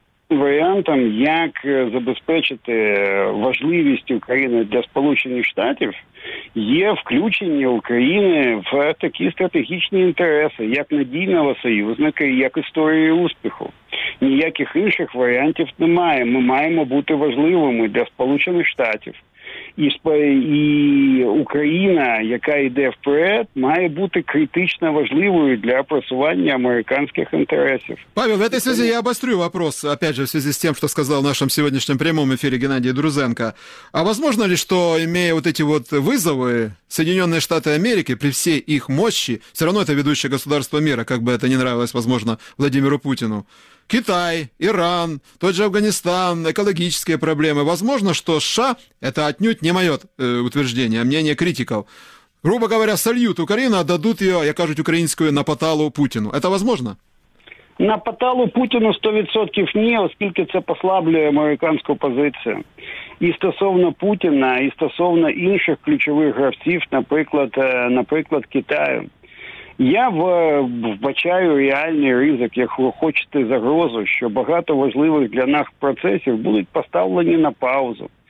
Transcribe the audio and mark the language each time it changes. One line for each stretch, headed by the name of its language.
Ukrainian: Варіантом, як забезпечити важливість України для Сполучених Штатів, є включення України в такі стратегічні інтереси, як надійного союзника і як історії успіху. Ніяких інших варіантів немає. Ми маємо бути важливими для Сполучених Штатів. І Україна, яка йде вперед, має бути критично важливою для просування американських інтересів.
Russian: Павел, в этой связи я обострю вопрос, опять же, в связи с тем, что сказал в нашем сегодняшнем прямом эфире Геннадий Друзенко. А возможно ли, что, имея вот эти вот вызовы, Соединенные Штаты Америки при всей их мощи, все равно это ведущее государство мира, как бы это ни нравилось, возможно, Владимиру Путину, Китай, Иран, тот же Афганистан, экологические проблемы. Возможно, что США, это отнюдь не мое утверждение, а мнение критиков, грубо говоря, сольют Украину, отдадут ее,
Ukrainian: я кажу,
Russian: украинскую на поталу Путину. Это возможно?
Ukrainian: На поталу Путіну 100% ні, оскільки це послаблює американську позицію. І стосовно Путіна, і стосовно інших ключових гравців, наприклад, Китаю. Я вбачаю реальний ризик, як ви хочете, загрозу, що багато важливих для нас процесів будуть поставлені на паузу.